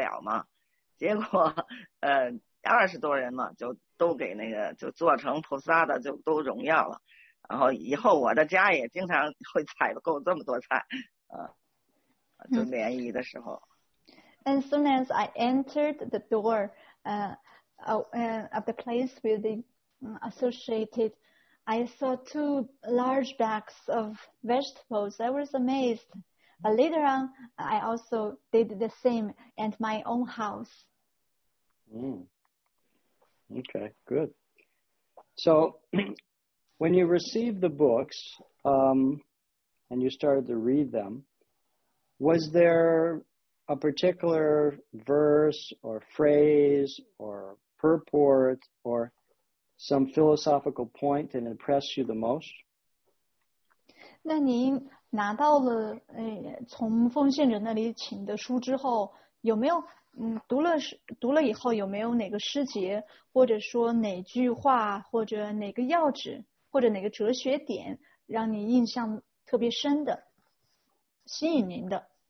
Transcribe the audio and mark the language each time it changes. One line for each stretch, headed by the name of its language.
Chinese: 就是我一进门就看到两大麻袋的那个菜呀，我当时吓坏了，我吃得了吗？结果。20多人嘛，就都给那个就做成菩萨的，就都荣耀了。然后以后我的家也经常会采购这么多菜，就联谊的时候。
English: And soon as I entered the door, of the place with the associated, I saw two large bags of vegetables. I was amazed. But later on, I also did the same at my own house. Mm. Okay, good. So when you received the books and you started to read them, was there a particular verse or phrase or purport or some philosophical point that impressed you the most?
Chinese: 那您拿到了从奉献者那里请的书之后，有没有读了以后有没有哪个诗节，或者说哪句话，或者哪个要旨，或者哪个哲学点让你印象特别深的，吸引您的？